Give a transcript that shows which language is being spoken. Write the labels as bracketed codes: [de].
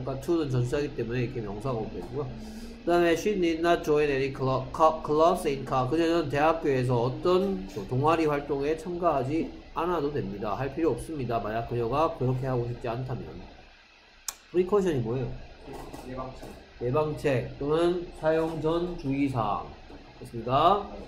[ko] 그러니까 to는 전치사이기 때문에 이렇게 명사가 없겠고요. 그 다음에 [en] she did not join any clubs in college. [ko] 그녀는 대학교에서 어떤 동아리 활동에 참가하지 않아도 됩니다. 할 필요 없습니다. 만약 그녀가 그렇게 하고 싶지 않다면. 프리커션이 뭐예요? 예방책. 예방책 또는 사용 전 주의사항. 됐습니다.